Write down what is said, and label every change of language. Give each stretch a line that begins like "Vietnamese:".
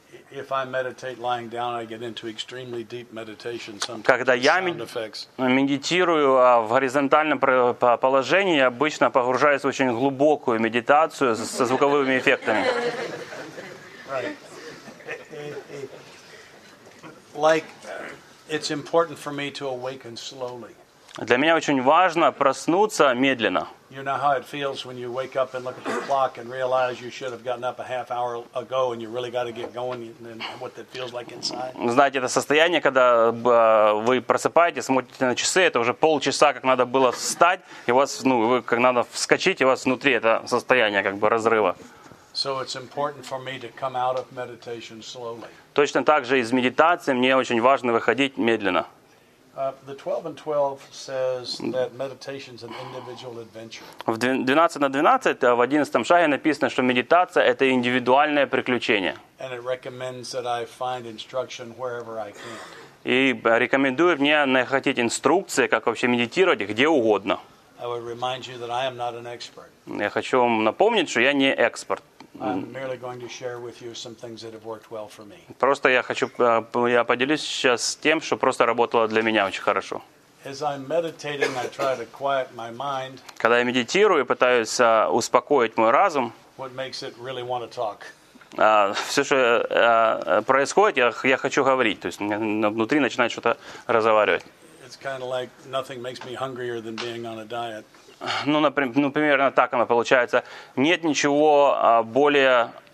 English: If I meditate lying down, I get into extremely deep meditation.
Russian: Когда я медитирую в горизонтальном положении, я обычно погружаюсь в очень глубокую медитацию со звуковыми эффектами.
English: Like it's important for me to awaken slowly.
Russian: Для меня очень важно проснуться медленно.
English: You know how it feels when you wake up and look at the clock and realize you should have gotten up a half hour ago and you really got to get going and what that feels like inside.
Russian: Знаете, это состояние, когда вы просыпаетесь, смотрите на часы, это уже полчаса, как надо было встать, и у вас, ну, вы как надо вскочить, и у вас внутри это состояние как бы разрыва.
English: So it's important for me to come out of meditation slowly.
Russian: Точно так же из медитации мне очень важно выходить медленно.
English: The 12 and 12 says that meditation is an individual adventure.
Russian: В 12 на 12, в 11 шаге написано, что медитация это индивидуальное приключение.
English: And it recommends that I find instruction wherever I can.
Russian: И рекомендует мне найти инструкции, как вообще медитировать, где угодно.
English: I would remind you that I am not an expert.
Russian: Я хочу вам напомнить, что я не эксперт.
English: I'm merely going to share with you some things that have worked well for me.
Russian: Просто я поделюсь сейчас тем, что просто работало для меня очень хорошо.
English: As I'm meditating, I try to quiet my mind.
Russian: Когда я медитирую, пытаюсь успокоить мой разум.
English: What makes it really want to talk?
Russian: Все, что происходит, я хочу говорить, то есть внутри начинает что-то разговаривать.
English: It's kind of like nothing makes me hungrier than being on a diet.
Russian: Ну, например, ну, примерно так оно получается. Нет ничего более...